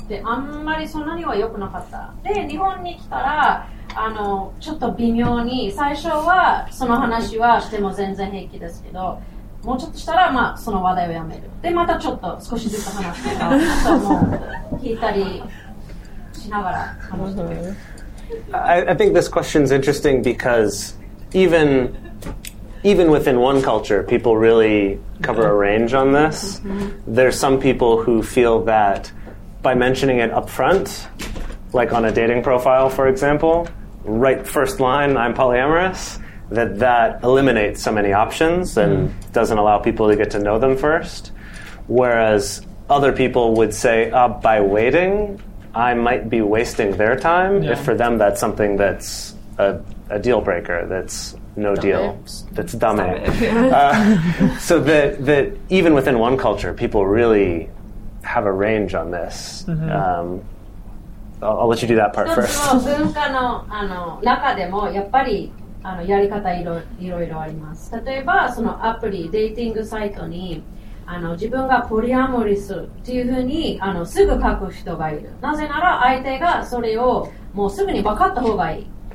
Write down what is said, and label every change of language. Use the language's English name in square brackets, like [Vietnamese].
[Japanese] ってあんまりそんなには良くなかった。で、日本に来たらあのちょっと微妙に、最初はその話はしても全然平気ですけど。もうちょっとしたら、まあ、その話題をやめる。で、またちょっと少しずつ話すとか、もう聞いたりしながら話してる。 [English] I think this question's interesting because even within one culture, people really cover a range on this. There's some people who feel that by mentioning it up front, like on a dating profile, for example, right first line, I'm polyamorous. That eliminates so many options and doesn't allow people to get to know them first. Whereas other people would say, by waiting, I might be wasting their time. Yeah. If for them that's something that's a deal breaker, that's no deal, that's dumb. So that even within one culture, people really have a range on this. Mm-hmm. I'll let you do that part first. [Japanese] 文化の、あの、中でもやっぱりあのやり方いろいろあります。例えばそのアプリデーティングサイトにあの自分がポリアモリスっていうふうにあのすぐ書く人がいる。なぜなら相手がそれをもうすぐに分かった方がいい。